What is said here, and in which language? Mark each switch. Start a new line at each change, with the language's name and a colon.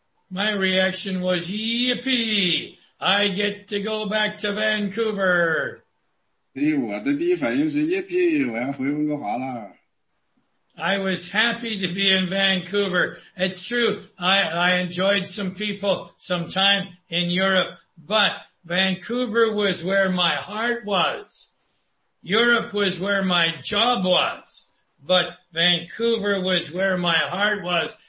English: My reaction was, yippee, I get to go back to Vancouver.
Chinese: 你我的第一反应是, yippee, 我要回温哥华了。
English: I was happy to be in Vancouver. It's true, I enjoyed some people, some time in Europe, but Vancouver was where my heart was. Europe was where my job was, but Vancouver was where my heart was.